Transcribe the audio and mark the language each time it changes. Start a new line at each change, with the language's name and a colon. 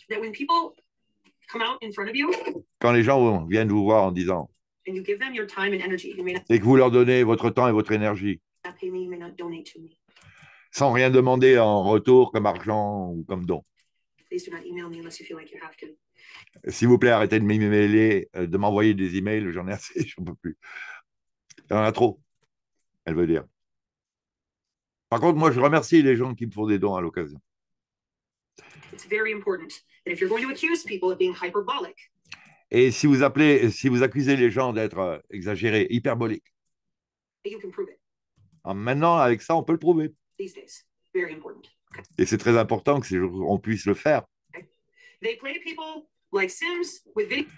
English: that when people come out in front of you
French: Quand les gens viennent vous voir en disant
English: and you give them your time and energy, you may not
French: et que vous leur donnez votre temps et votre énergie
English: pay me, you may not donate to me.
French: sans rien demander en retour comme argent ou comme don.
English: Please do not email me unless you feel like you have to.
French: S'il vous plaît, arrêtez de m'emailer, de m'envoyer des emails, j'en ai assez, j'en peux plus. Il y en a trop, elle veut dire. Par contre, moi, je remercie les gens qui me font des dons à l'occasion.
English: It's very important that if you're going to accuse people of being hyperbolic,
French: Et si vous appelez, si vous accusez les gens d'être exagérés, hyperboliques,
English: you can prove it.
French: maintenant, avec ça, on peut le prouver.
English: These days, very important. Okay.
French: Et c'est très important que ces jours, on puisse le faire.
English: They play people like Sims with